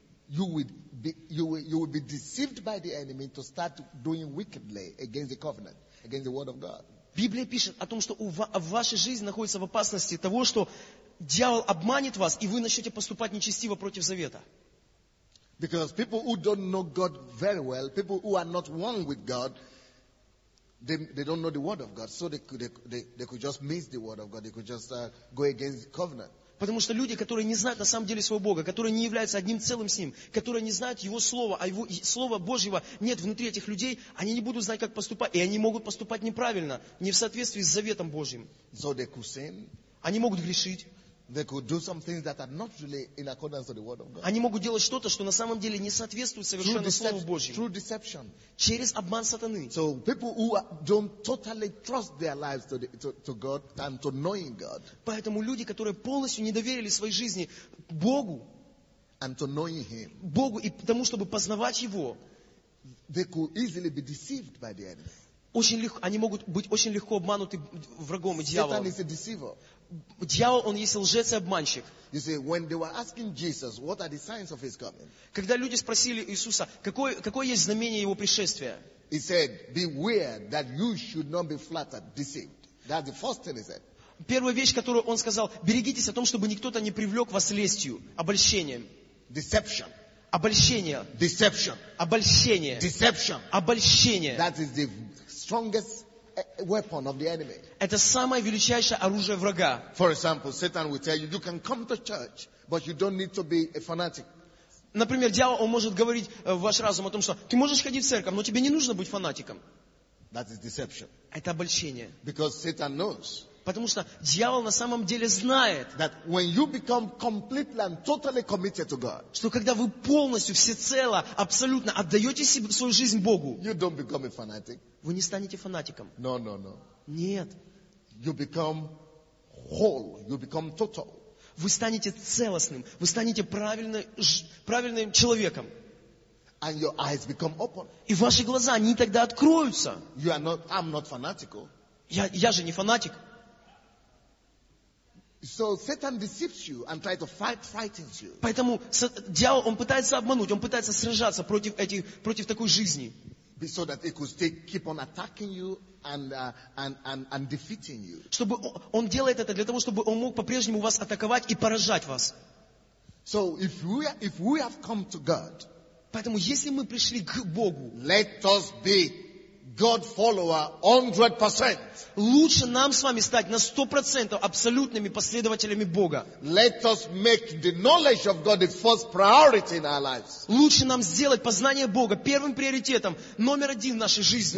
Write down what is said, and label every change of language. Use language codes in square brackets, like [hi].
[en] You will be deceived by the enemy to start doing wickedly against the covenant, against the word of God. [ru] Библия пишет о том, что в вашей жизни находится в опасности того, что дьявол обманет вас, и вы начнете поступать нечестиво против завета. [en] Because people who don't know God very well, people who are not one with God, they don't know the word of God. So they could just miss the word of God. They could just go against the covenant. [ru] Потому что люди, которые не знают на самом деле своего Бога, которые не являются одним целым с Ним, которые не знают Его Слова, а Его Слова Божьего нет внутри этих людей, они не будут знать, как поступать, и они могут поступать неправильно, не в соответствии с Заветом Божьим. [en] So they could sin. [ru] Они могут грешить. [en] They could do some things that are not really in accordance with the word of God. [ru] Они могут делать что-то, что на самом деле не соответствует совершенно Слову Божьему. [en] Through deception. [ru] Через обман сатаны. [en] So people who don't totally trust their lives to God and to knowing God. [ru] Поэтому люди, которые полностью не доверили своей жизни Богу. [en] And to knowing Him. [ru] Богу и тому, чтобы познавать Его. [en] They could easily be deceived by the enemy. [ru] Очень легко, они могут быть очень легко обмануты врагом и дьяволом. [en] Satan is a deceiver. [ru] Дьявол, он есть лжец и обманщик. [en] You see, when they were asking Jesus, what are the signs of his coming? [ru] Когда люди спросили Иисуса, какое есть знамение его пришествия? [en] He said, beware that you should not be flattered, deceived. That's the first thing he said. [ru] Первая вещь, которую он сказал, берегитесь о том, чтобы никто-то не привлек вас лестью, обольщением. [en] Deception. [ru] Обольщение. [en] Deception. [ru] Обольщение. [en] Deception. [ru] Обольщение. [en] That is the strongest weapon of the enemy. [ru] Это самое величайшее оружие врага. [en] For example, Satan will tell you, you can come to church, but you don't need to be a fanatic. [ru] Например, дьявол он может говорить в ваш разум о том, что ты можешь ходить в церковь, но тебе не нужно быть фанатиком. [en] That is deception. [ru] Это обольщение. [en] Because Satan knows. [ru] Потому что дьявол на самом деле знает, [en] that when you become completely and totally committed to God, [ru] что когда вы полностью, всецело, абсолютно отдаете себе свою жизнь Богу, [en] you don't become a fanatic. [ru] Вы не станете фанатиком. [en] No, no, no. [ru] Нет. [en] You become whole. You become total. [ru] Вы станете целостным. Вы станете правильным человеком. [en] And your eyes become open. [ru] И ваши глаза, они тогда откроются. [en] You are not, I'm not fanatical. [ru] Я же не фанатик. [en] So Satan deceives you and tries to fight, frightens you. [ru] Поэтому дьявол, он пытается обмануть, он пытается сражаться против такой жизни. [en] So that he could stay, keep on attacking you and defeating you. [ru] Чтобы он делает это для того, чтобы он мог по-прежнему вас атаковать и поражать вас. [en] So if we have come to God, [ru] поэтому если мы пришли к Богу, [en] let us be God follower 100%. [ru] Лучше нам с вами стать на 100% абсолютными последователями Бога. [en] Let us make the knowledge of God the first priority in our lives. [ru] Лучше нам сделать познание Бога первым приоритетом, номер один в нашей жизни.